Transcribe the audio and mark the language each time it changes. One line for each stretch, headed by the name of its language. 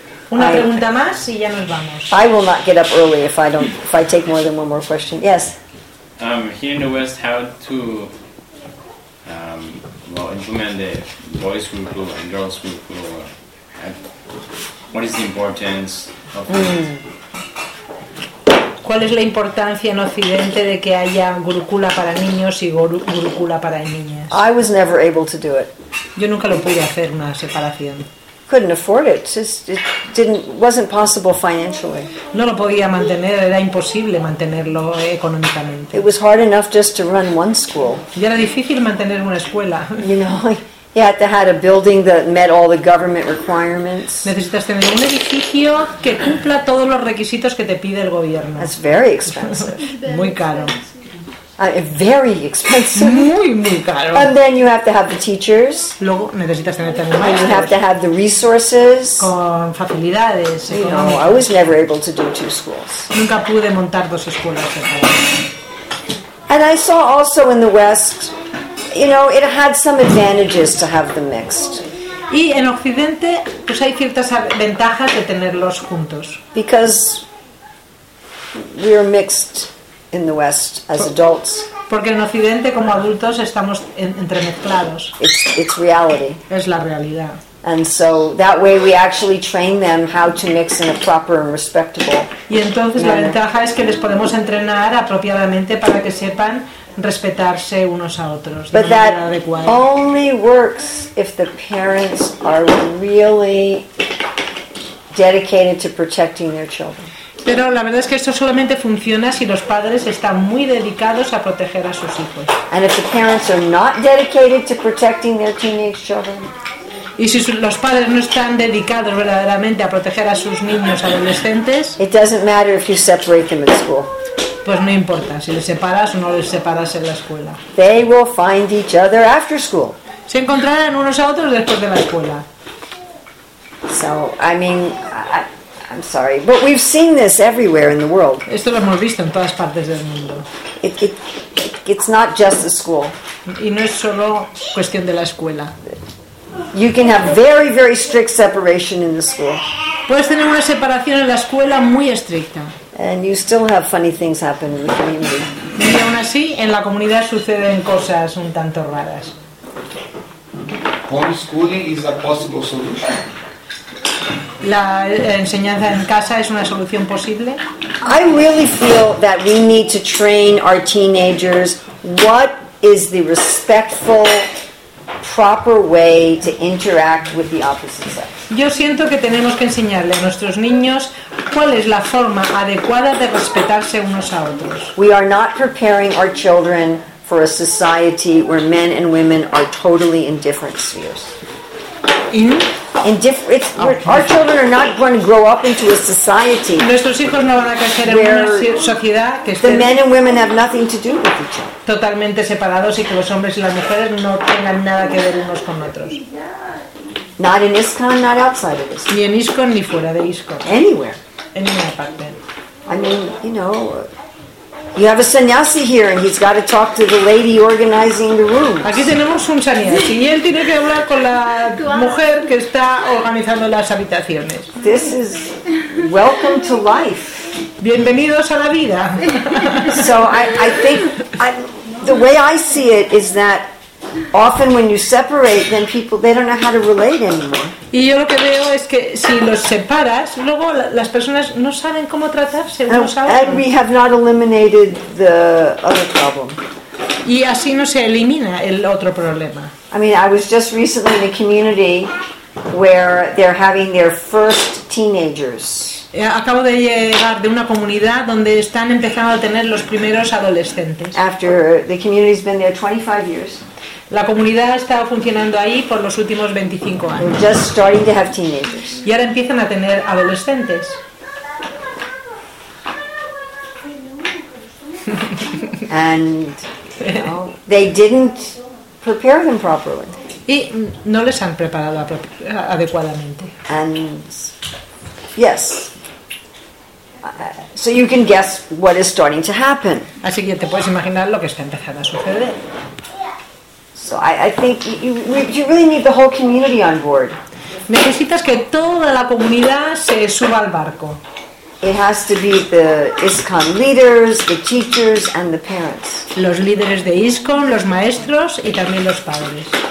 Spanish: Una pregunta más y ya nos vamos.
English: I will not get up early if I take more than one more question. Yes. Here in the West, how to implement the boys' group rule and girls' group rule. What is the importance of
Spanish: ¿Cuál es la importancia en Occidente de que haya gurukula para niños y gurukula para niñas?
English: I was never able to do it.
Spanish: Yo nunca lo pude hacer una separación.
English: Couldn't afford it. It wasn't possible financially.
Spanish: No lo podía mantener. Era imposible mantenerlo económicamente.
English: It was hard enough just to run one school.
Spanish: Ya era difícil mantener una escuela.
English: You know, you had to have a building that met all the government requirements.
Spanish: Necesitas tener un edificio que cumpla todos los requisitos que te pide el gobierno.
English: That's very expensive.
Spanish: Muy caro.
English: Very expensive.
Spanish: Muy, muy caro.
English: And then you have to have the teachers.
Spanish: Luego necesitas tener también maestros.
English: And you have to have the resources.
Spanish: Con facilidades económicas.
English: You know, I was never able to do two schools.
Spanish: Nunca pude montar dos escuelas.
English: And I saw also in the West, you know, it had some advantages to have them mixed.
Spanish: Y en Occidente, pues hay ciertas ventajas de tenerlos juntos.
English: Because we are mixed in the West as adults.
Spanish: Porque en Occidente como adultos estamos entremezclados.
English: It's reality.
Spanish: Es la realidad.
English: And so that way we actually train them how to mix in a proper and respectable.
Spanish: Y entonces
English: manner.
Spanish: La ventaja es que les podemos entrenar apropiadamente para que sepan respetarse unos a otros de
English: But
Spanish: manera
English: that
Spanish: adecuada.
English: Only works if the parents are really dedicated to protecting their children.
Spanish: Pero la verdad es que esto solamente funciona si los padres están muy dedicados a proteger a sus hijos.
English: And if the parents are not dedicated to protecting their teenage children.
Spanish: Y si los padres no están dedicados verdaderamente a proteger a sus niños adolescentes,
English: it doesn't matter if you separate them at school.
Spanish: Pues no importa si les separas o no les separas en la escuela.
English: They will find each other after school.
Spanish: Se encontrarán unos a otros después de la escuela.
English: So, I mean, I'm sorry, but we've seen this everywhere in the world.
Spanish: Esto lo hemos visto en todas partes del mundo.
English: It's not just the school.
Spanish: Y no es solo cuestión de la escuela.
English: You can have very, very strict separation in the school.
Spanish: Puedes tener una separación en la escuela muy estricta.
English: And you still have funny things happen in the community.
Spanish: Y aún así, en la comunidad suceden cosas un tanto raras.
English: Homeschooling is a possible solution.
Spanish: La enseñanza en casa es una solución posible.
English: I really feel that we need to train our teenagers what is the respectful, proper way to interact with the opposite sex.
Spanish: Yo siento que tenemos que enseñarle a nuestros niños cuál es la forma adecuada de respetarse unos a otros.
English: We are not preparing our children for a society where men and women are totally in different spheres. Our children are not going to grow up into a society.
Spanish: Nuestros hijos no van a crecer en una sociedad que
English: the men and women have nothing to do with each other.
Spanish: Totalmente separados y que los hombres y las mujeres no tengan nada que ver unos con otros.
English: Not in ISKCON, not outside of ISKCON.
Spanish: Ni en ISKCON ni fuera de ISKCON.
English: Anywhere.
Spanish: En ninguna parte.
English: I mean, you know, you have a sannyasi here, and he's got to talk to the lady organizing the rooms.
Spanish: Aquí tenemos un sannyasi, y él tiene que hablar con la mujer que está organizando las habitaciones.
English: This is welcome to life.
Spanish: Bienvenidos a la vida.
English: So I think the way I see it is that often when you separate, then people they don't know how to relate anymore.
Spanish: Y yo lo que veo es que si los separas, luego las personas no saben cómo tratarse unos a otros.
English: And we have not eliminated the other problem.
Spanish: Y así no se elimina el otro problema.
English: I mean, I was just recently in a community where they're having their first teenagers.
Spanish: Acabo de llegar de una comunidad donde están empezando a tener los primeros adolescentes.
English: After the community's been there 25 years.
Spanish: La comunidad ha estado funcionando ahí por los últimos 25 años.
English: They're just starting to have teenagers.
Spanish: Y ahora empiezan a tener adolescentes.
English: And they didn't prepare them properly.
Spanish: Y no les han preparado adecuadamente.
English: And yes. So you can guess what is starting to happen.
Spanish: Así que te puedes imaginar lo que está empezando a suceder.
English: So I think you really need the whole community on board.
Spanish: Necesitas que toda la comunidad se suba al barco.
English: It has to be the ISKCON leaders, the teachers, and the parents.
Spanish: Los líderes de ISKCON, los maestros y también los padres.